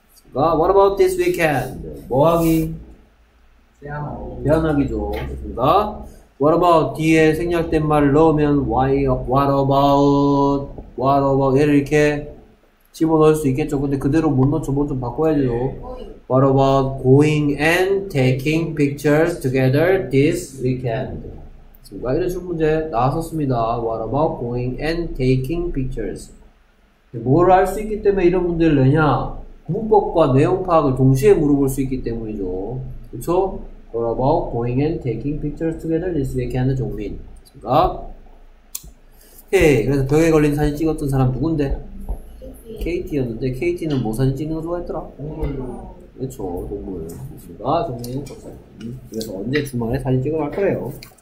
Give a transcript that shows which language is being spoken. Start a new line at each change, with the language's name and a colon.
Korean: 그러니까
English: What about this weekend?
Korean: 뭐하기? 대안하기죠. 그러니까
English: What about
Korean: 뒤에 생략된 말을 넣으면 Why?
English: What about? What about?
Korean: 얘를 이렇게 집어넣을 수 있겠죠. 근데 그대로 못 넣죠. 뭐 좀 바꿔야죠.
English: What about going and taking pictures together this weekend?
Korean: 뭐가 이런 식 문제 나왔었습니다.
English: What about going and taking pictures?
Korean: 뭘 알 수 있기 때문에 이런 문제를 내냐? 문법과 내용 파악을 동시에 물어볼 수 있기 때문이죠. 그쵸?
English: What about going and taking pictures together this weekend?
Korean: 종민. 그니까? 오케이. 그래서 벽에 걸린 사진 찍었던 사람 누군데? KT였는데, KT는 뭐 사진 찍는 거 좋아했더라? 그렇죠. 동물. 그렇습니다. 종민은 걱정. 그래서 언제 주말에 사진 찍어 갈 거예요.